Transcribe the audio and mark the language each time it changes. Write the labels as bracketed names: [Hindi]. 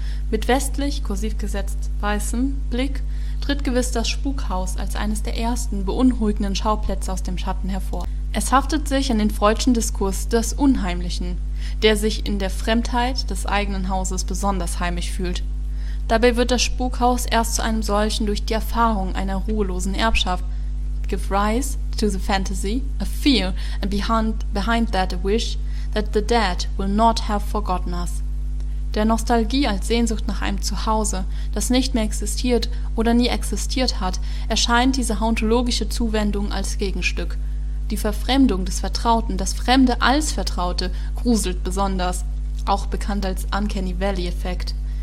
[German] Mit westlich, kursiv gesetzt, weißem Blick tritt gewiss das Spukhaus als eines der ersten beunruhigenden Schauplätze aus dem Schatten hervor. Es haftet sich an den freudschen Diskurs des Unheimlichen, der sich in der Fremdheit des eigenen Hauses besonders heimisch fühlt. Dabei wird das Spukhaus erst zu einem solchen durch die Erfahrung einer ruhelosen Erbschaft. [English] Give rise to the fantasy, a fear, and behind that a wish, that the dead will not have forgotten us. [German] der Nostalgie als Sehnsucht nach einem Zuhause, das nicht mehr existiert oder nie existiert hat, erscheint diese hauntologische Zuwendung als Gegenstück. Die Verfremdung des Vertrauten, das Fremde als Vertraute, gruselt besonders, auch bekannt als Uncanny Valley-Effekt.